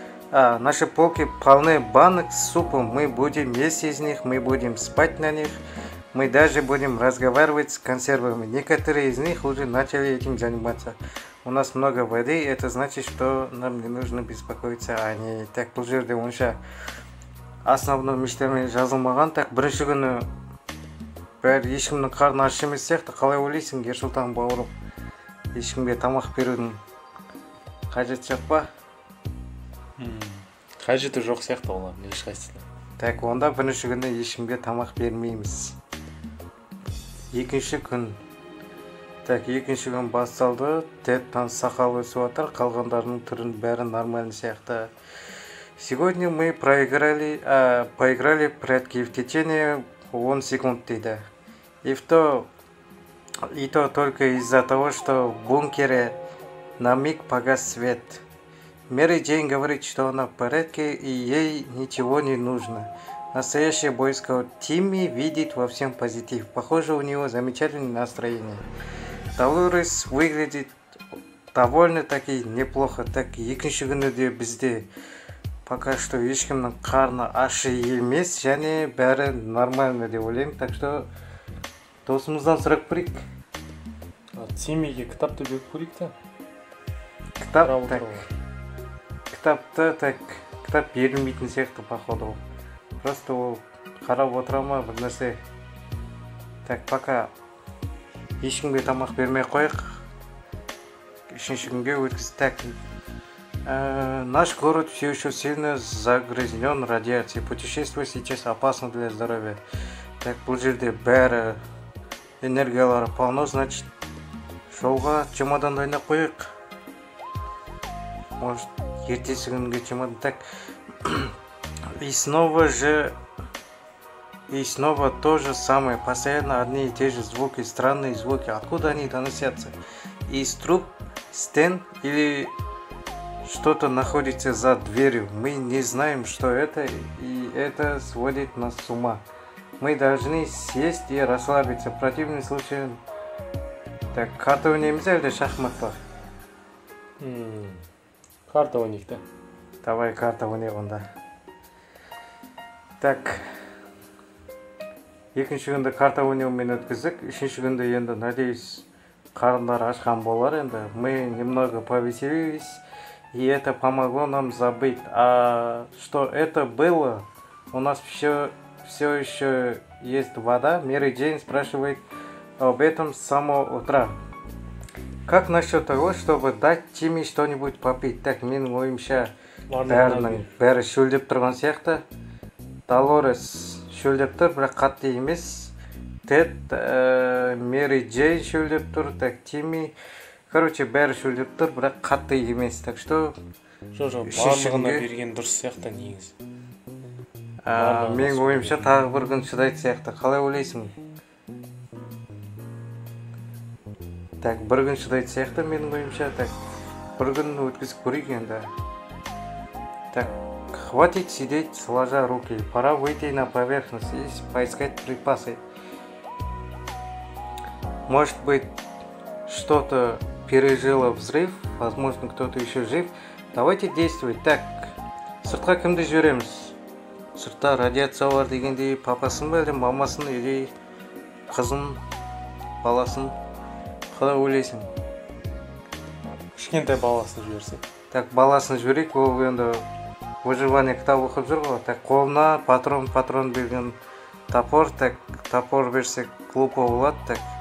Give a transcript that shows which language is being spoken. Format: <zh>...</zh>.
<ru>Наши полки полны банок с супом. Мы будем есть из них, мы будем спать на них. Мы даже будем разговаривать с консервами. Некоторые из них уже начали этим заниматься. У нас много воды, и это значит, что нам не нужно беспокоиться о ней. Так, пожирды унша.</ru> <kk>Основной мечтами жазылмаған, так, бірінші күні бәр ешкімнің қарын ашы емес сияқты, қалай ойлайсың, Ершултан бауырым, ешкімге тамақ берудің қажет жоқ па? Қажеті жоқ сияқты олар, ешқайсысы. Так, онда бірінші күні ешкімге тамақ бермейміз. Екінші күн. Так, екінші күн басталды, Теттан сақал өсіп отыр, қалғандарының түрін бәрі нормальны сияқты.</kk> <ru>Сегодня мы поиграли в прятки в течение 1 секунд, да. И то только из-за того, что в бункере на миг погас свет. Мэри Джейн говорит, что она в порядке и ей ничего не нужно. Настоящий бойскаут Тимми видит во всем позитив. Похоже, у него замечательное настроение. Долорес выглядит довольно-таки неплохо.</ru> <kk>Так, екінші күні де бізде пока что ешкімнің қарны ашы емес, және бәрі нормально деп ойлаймын. Так что досымыздан сұрап көрейік. Тиммиге кітапты беріп көрейік та. Кітап, так. Кітапты, так. Кітап берілмейтін сияқты, походу. Просто ол қарап отыра ма, бір нәрсе. Так, пока ешкімге тамақ бермей қояйық. Үшінші күнге өткіз. Так.</kk> <ru>Наш город все еще сильно загрязнен радиацией. Путешествие сейчас опасно для здоровья.</ru> <kk>Так, бұл жерде бәрі энергиялары полно, значит, шоуға чемодан дайындап қояйық.</kk> <ru>Может,</ru> <kk>ертесі күнге</kk> <ru>чемодан. Так, и снова то же самое. Постоянно одни и те же звуки, странные звуки. Откуда они доносятся? Из труб, стен или что-то находится за дверью. Мы не знаем, что это, и это сводит нас с ума. Мы должны сесть и расслабиться. В противном случае... Так, карта у них или шахматы? Карта у них, да. Давай, карта у них, да. Так.</ru> <kk>Екінші күнді</kk> <ru>карта у них</ru> <kk>мен өткіздік. Үшінші күнді енді, надеюсь, қарындар ашқан болар енді.</kk> <ru>Мы немного повеселились. И это помогло нам забыть, а что это было, у нас все еще есть вода. Мэри Джейн спрашивает об этом с самого утра. Как насчет того, чтобы дать Тимми что-нибудь попить?</ru> <kk>Так, мин ловимся бәрі шүлдеп тұрған сияқты. Долорес шүлдеп тұр, бірақ қатты емес. Тед, Мэри Джейн шүлдеп тұр, так, Тимми. Короче, бәрі шөлдеп тұр, бірақ қатты емес, так что... Жо-жо, барлығына берген дұрыс сияқты негіз. Мен ойымша тағы бір күн шыдайды сияқты, қалай ойлайсың? Так, бір күн шыдайды сияқты мен ойымша, так, бір күн өткізіп көрейік енді.</kk> <ru>Так, хватит сидеть, сложа руки, пора выйти на поверхность и поискать припасы. Может быть, что-то пережила взрыв, возможно, кто-то еще жив. Давайте действовать.</ru> <kk>Так, сыртқа кімді жүреміз? Сыртта радиация бар дегенде папасын ба, мамасын или қызын, баласын? Қалай ойлайсың? Кішкентай баласын жіберсе. Так, баласын жіберейік, ол енді выживание кітап оқып жүр ғой. Так, қолына патрон берген топор так, топор берсек глупо болады так.</kk>